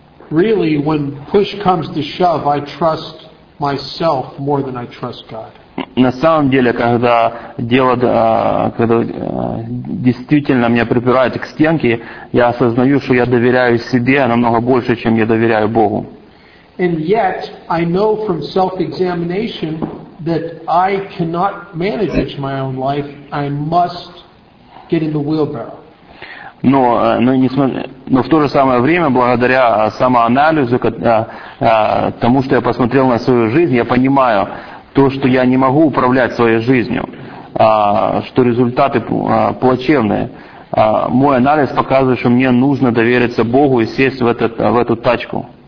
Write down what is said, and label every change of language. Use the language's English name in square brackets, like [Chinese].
[English] really, when push comes to shove, I trust myself more than I trust God. [Russian] На самом деле, когда дело, когда действительно меня припирают к стенке, я осознаю, что я доверяю себе намного больше, чем я доверяю Богу. [English] And yet, I know from self-examination that I cannot manage my own life. I must get in the wheelbarrow. [Russian] Но в то же самое время, благодаря самоанализу, тому, что я посмотрел на свою жизнь, я понимаю то, что я не могу управлять своей жизнью, что результаты плачевные. Мой анализ показывает, что мне нужно довериться Богу и сесть в эту тачку.